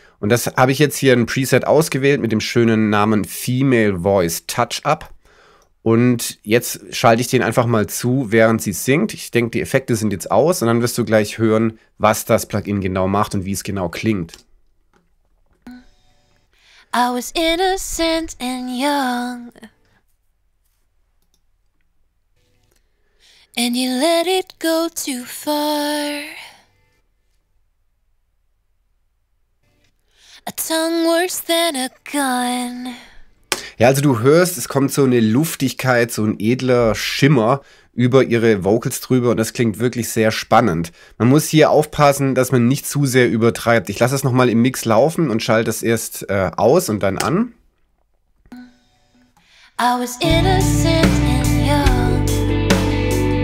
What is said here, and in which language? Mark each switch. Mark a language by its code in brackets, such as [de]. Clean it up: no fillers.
[de] Und das habe ich jetzt hier ein Preset ausgewählt mit dem schönen Namen Female Voice Touch Up und jetzt schalte ich den einfach mal zu, während sie singt. Ich denke, die Effekte sind jetzt aus und dann wirst du gleich hören, was das Plugin genau macht und wie es genau klingt. [en] I was innocent and young, and you let it go too far. A tongue worse than a gun. [de] Ja, also du hörst, es kommt so eine Luftigkeit, so ein edler Schimmer über ihre Vocals drüber und das klingt wirklich sehr spannend. Man muss hier aufpassen, dass man nicht zu sehr übertreibt. Ich lasse es nochmal im Mix laufen und schalte es erst aus und dann an. [en] I was innocent and young.